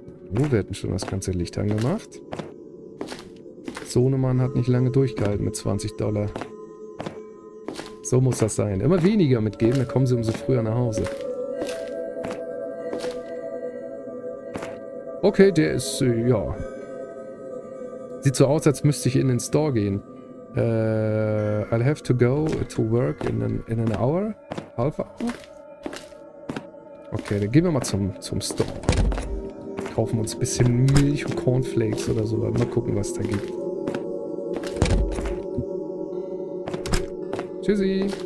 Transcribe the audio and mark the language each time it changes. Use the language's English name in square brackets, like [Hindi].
[German] Wir hatten schon das ganze Licht angemacht. Sohnemann hat nicht lange durchgehalten mit $20. So muss das sein. Immer weniger mitgeben, dann kommen sie umso früher nach Hause. Okay, der ist, ja. Sieht so aus, als müsste ich in den Store gehen. [English] I'll have to go to work in an hour. Half hour. [German] Okay, dann gehen wir mal zum Store. Kaufen uns ein bisschen Milch und Cornflakes oder so. Mal gucken, was da gibt. Tschüssi.